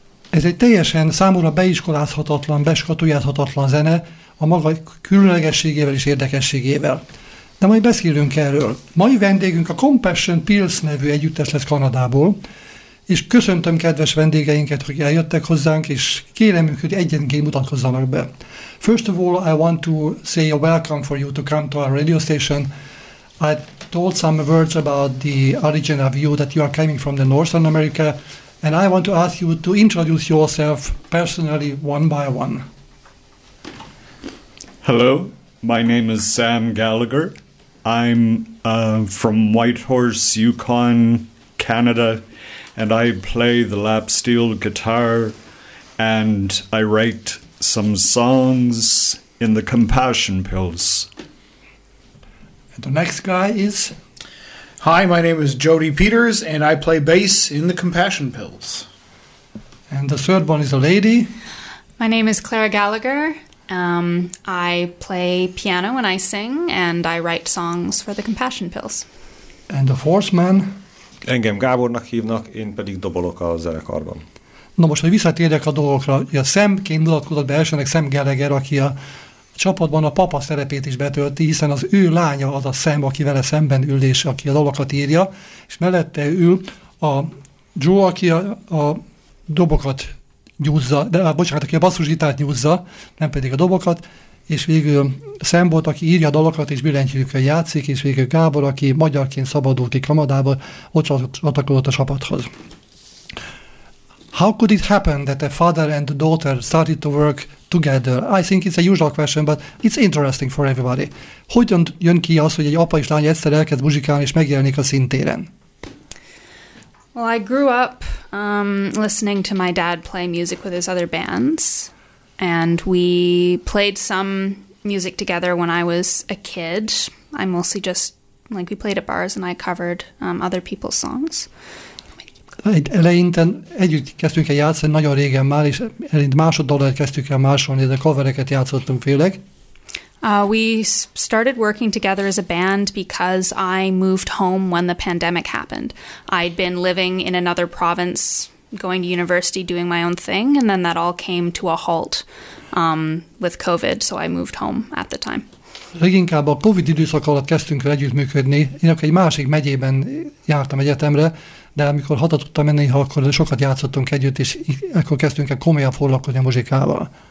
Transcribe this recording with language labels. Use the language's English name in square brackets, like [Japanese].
[Hungarian] Ez egy teljesen számomra beiskolázhatatlan, beskatujázhatatlan zene, a maga különlegességével és érdekességével. De majd beszélünk erről. Mai vendégünk a Compassion Pills nevű együttes lesz Kanadából, és köszöntöm kedves vendégeinket, hogy eljöttek hozzánk, és kérem őket, hogy egyenként mutatkozzanak be. [English] First of all, I want to say a welcome for you to come to our radio station. I told some words about the origin of you, that you are coming from the Northern America, and I want to ask you to introduce yourself personally, one by one. Hello, my name is Sam Gallagher. I'm from Whitehorse, Yukon, Canada, and I play the lap steel guitar, and I write some songs in the Compassion Pills. And the next guy is? Hi, my name is Jody Peters, and I play bass in the Compassion Pills. And the third one is a lady. My name is Clara Gallagher. I play piano when I sing, and I write songs for the Compassion Pills. And the fourth man? [Hungarian] Engem Gábornak hívnak, én pedig dobolok a zenekarban. Na most, hogy visszatérjek a dolgokra, a Szemként mutatkozott be elsőnek Sam Gallagher, aki a csapatban a papa szerepét is betölti, hiszen az ő lánya az a Sam, aki vele szemben ül, és aki a dolgokat írja, és mellette ül a Joe, aki a dobokat nyúzza, de bocsánat, aki a basszusgitárt nyúzza, nem pedig a dobokat, és végül Sam volt, aki írja a dalokat, és billentyűkkel játszik, és végül Gábor, aki magyarként szabadul ki Kanadába, ott csatlakozott a csapathoz. [English] How could it happen that a father and a daughter started to work together? I think it's a usual question, but it's interesting for everybody. [Hungarian] Hogyan jön ki az, hogy egy apa és lány egyszer elkezd muzsikálni, és megjelenik a színtéren? [English] Well, I grew up listening to my dad play music with his other bands, and we played some music together when I was a kid. I mostly just, like, we played at bars and I covered other people's songs. [Hungarian] Eleinte együtt kezdtünk el játszani nagyon régen már, és eleinte másoddalat kezdtük el másolni, de covereket játszottunk főleg. [English] We started working together as a band because I moved home when the pandemic happened. I'd been living in another province, going to university, doing my own thing, and then that all came to a halt with COVID, so I moved home at the time. [Hungarian] Leginkább a COVID időszak alatt kezdtünk el együttműködni. Én akkor egy másik megyében jártam egyetemre, de amikor haza tudtam menni, akkor sokat játszottunk együtt, és akkor kezdtünk el komolyan foglalkozni a muzsikával.